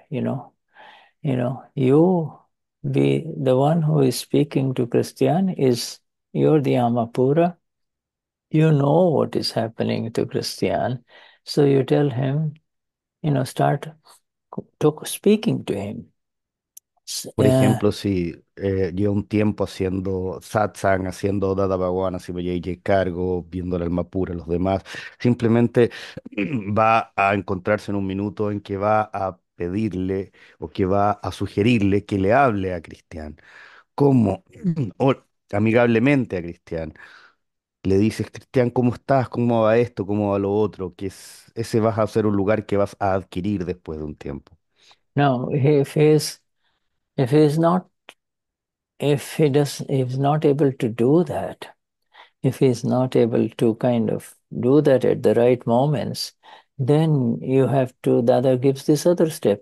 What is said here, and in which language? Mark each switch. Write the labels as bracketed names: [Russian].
[English] You be the one who is speaking to Christian is you're the Amapura. You know what is happening to Christian. So you tell him, start speaking to him. [Spanish] Por ejemplo, si llevo un tiempo haciendo satsang, haciendo Dada Bhagwan, así me llegue cargo, viendo el alma pura, los demás, simplemente va a encontrarse en un minuto en que va a pedirle o que va a sugerirle que le hable a Cristian. ¿Cómo? O amigablemente a Cristian. Le dices, Cristian, ¿cómo estás? ¿Cómo va esto? ¿Cómo va lo otro? Que es, ese vas a ser un lugar que vas a adquirir después de un tiempo. [English] No, if he's not able to do that, if he's not able to kind of do that at the right moments, then you have to, the other gives this other step.